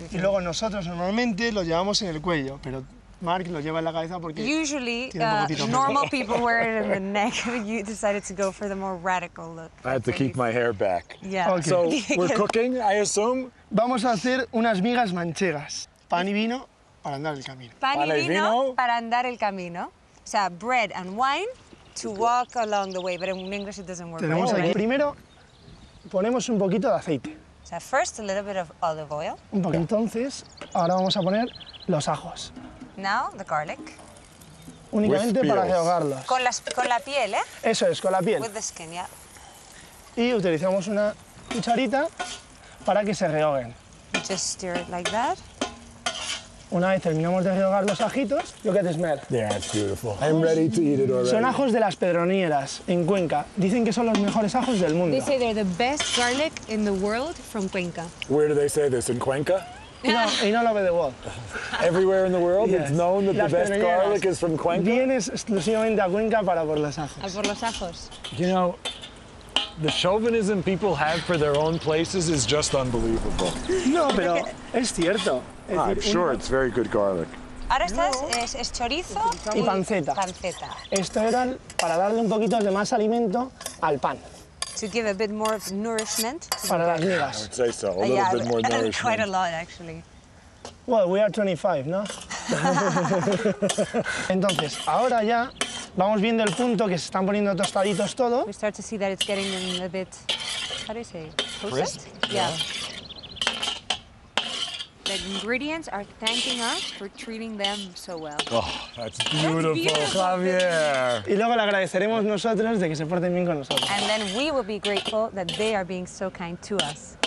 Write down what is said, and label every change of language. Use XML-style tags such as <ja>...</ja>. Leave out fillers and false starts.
<es>Y luego nosotros normalmente lo llevamos en el cuello, pero Mark lo lleva en la cabeza porque</es> <en>usually, normal people wear it in the neck, but you decided to go for the more radical look. I had to keep my hair back. Yeah. Okay. So, we're cooking, I assume?</en> <es>Vamos a hacer unas migas manchegas, pan y vino. Para andar el camino. Pan y vino para andar el camino.</es> <en>O sea, bread and wine to walk along the way. But in English it doesn't work.</en> <es>Tenemos aquí primero ponemos un poquito de aceite.</es> <en>O sea, first a little bit of olive oil.</en> <es>Un poquito. Entonces, ahora vamos a poner los ajos.</es> <en>Now the garlic.</en> <es>Únicamente para rehogarlos. Con la piel, ¿eh? Eso es, con la piel.</es> <en>With the skin, yeah.</en> <es>Y utilizamos una cucharita para que se rehoguen.</es> <en>Just stir it like that.</en> <es>Una vez terminamos de rehogar los ajitos,</es> <en>look at the smell. Yeah, it's beautiful. I'm ready to eat it already.</en> <es>Son ajos de las pedronieras en Cuenca. Dicen que son los mejores ajos del mundo.</es> <en>They say they're the best garlic in the world from Cuenca. Where do they say this, in Cuenca? No, in all over the world. Everywhere in the world, yes. It's known that the best garlic is from Cuenca?</en> <es>Vienes exclusivamente a Cuenca para por los ajos. A por los ajos.</es> <en>You know, the chauvinism people have for their own places is just unbelievable.</en> <es>No, pero es cierto.</es> <en>I'm sure it's very good garlic.</en> <es>Ahora estás es chorizo y panceta. Panceta. Esto era para darle un poquito de más alimento al pan.</es> <en>To give a bit more of nourishment.</en> <es>Para las migas.</es> <en>I would say so. A little bit more nourishment. Quite a lot, actually. Well, we are 25, ¿no?</en> <es>Entonces, ahora ya vamos viendo el punto que se están poniendo tostaditos todo.</es> <en>We start to see that it's getting them a bit, how do you say, crisp? Yeah. The ingredients are thanking us for treating them so well. Oh, that's beautiful, Javier.</en> <es>Y luego le agradeceremos nosotros de que se porten bien con nosotros.</es> <en>And then we will be grateful that they are being so kind to us.</en>